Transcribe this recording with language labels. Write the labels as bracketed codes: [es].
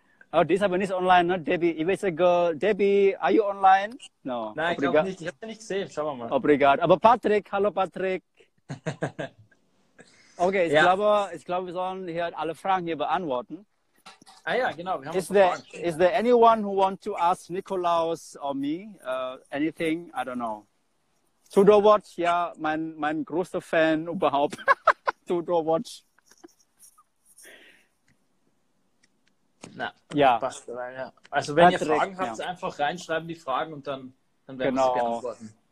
[de] Oh, die ist aber nicht online, ne? [en] Debbie, if it's a girl. Debbie, are you online? No. [de] Nein, obrigado. Ich glaube nicht. Ich habe sie nicht gesehen. Schauen wir mal. Obrigado. Aber Patrick, hallo Patrick. Okay, ich glaube, wir sollen hier alle Fragen hier beantworten. Ah ja, genau. Wir haben [en] is there anyone who wants to ask Nikolaus or me anything? I don't know. [de] Sudo Watch, ja, mein größter Fan überhaupt. Door Watch. Na, ja. Passt, ja. Also wenn Patrick, ihr Fragen habt, einfach reinschreiben die Fragen und dann werden wir sie beantworten.